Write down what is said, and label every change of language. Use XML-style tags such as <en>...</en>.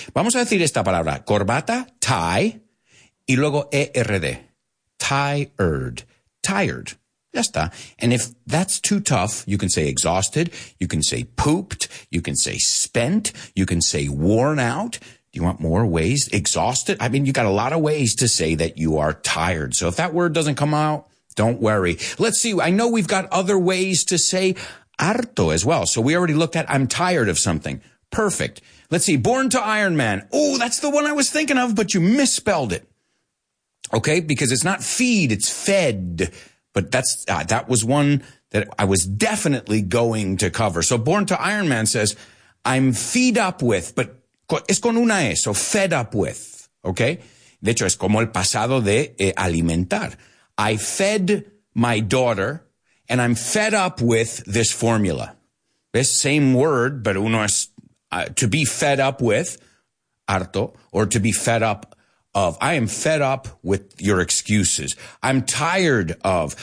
<es>Vamos a decir esta palabra, corbata, tie, y luego ERD.</es> <en>Tired, tired,</en> <es>ya está.</es> <en>And if that's too tough, you can say exhausted, you can say pooped, you can say spent, you can say worn out. Do you want more ways? Exhausted? I mean, you got a lot of ways to say that you are tired. So if that word doesn't come out, don't worry. Let's see. I know we've got other ways to say harto as well. So we already looked at I'm tired of something. Perfect. Let's see. Born to Iron Man. Oh, that's the one I was thinking of, but you misspelled it. Okay, because it's not feed, it's fed. But that was one that I was definitely going to cover. So Born to Iron Man says, I'm feed up with, but</en> <es>es con una E,</es> <en>so fed up with. Okay?</en> <es>De hecho, es como el pasado de alimentar.</es> <en>I fed my daughter and I'm fed up with this formula. This same word, but</en> <es>uno es</es> <en>to be fed up with, harto, or to be fed up of. I am fed up with your excuses. I'm tired of.</en>